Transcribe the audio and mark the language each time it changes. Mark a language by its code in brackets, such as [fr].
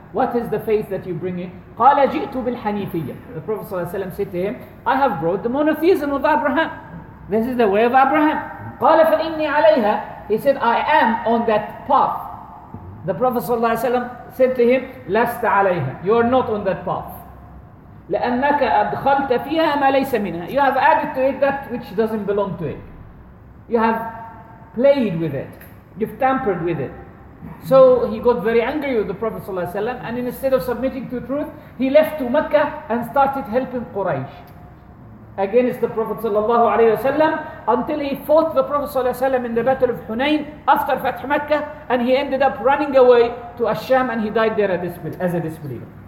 [en] What is the faith that you bring in? [ar] Qala ji'tu bil hanifiyya. [en] The Prophet ﷺ said to him, I have brought the monotheism of Abraham. This is the way of Abraham. [ar] Qala fa inni alayha. [en] He said, I am on that path. The Prophet ﷺ said to him, [ar] Lasta alayha. [en] You are not on that path. [ar] لأنك أدخلت فيها ما ليس منها. [en] You have added to it that which doesn't belong to it. You have played with it. You've tampered with it. So he got very angry with the Prophet ﷺ, and instead of submitting to truth, he left to Mecca and started helping Quraysh against the Prophet ﷺ, until he fought the Prophet ﷺ in the Battle of Hunayn after Fath Mecca, and he ended up running away to Asham and he died there as a disbeliever.